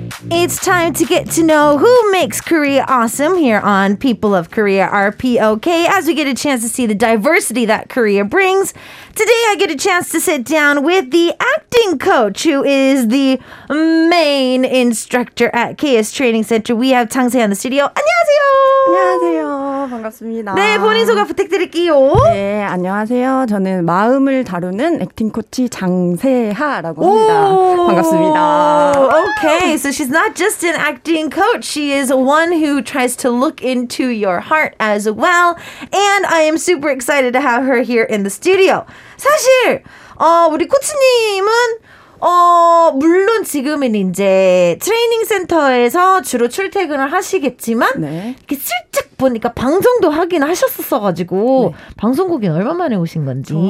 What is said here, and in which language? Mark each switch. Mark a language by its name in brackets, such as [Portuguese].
[English] It's time to get to know who makes Korea awesome here on People of Korea RPOK as we get a chance to see the diversity that Korea brings. Today I get a chance to sit down with the acting coach who is the main instructor at KS Training Center. We have Tang Se on the studio. [Korean] 안녕하세요. 안녕하세요. 반갑습니다. 네, 본인 소개 부탁드릴게요. 네, 안녕하세요. 저는 마음을 다루는 액팅 코치 장세하라고 합니다. 반갑습니다. [English] Okay, so she's not just an acting coach. She is one who tries to look into your heart as well. And I am super excited to have her here in the studio. [Korean] 사실 우리 코치님은 물론 지금은 이제 트레이닝 센터에서 주로 출퇴근을 하시겠지만 네. 이렇게 슬쩍 보니까 방송도 하긴 하셨었어가지고 네. 방송국엔 얼마 만에 오신 건지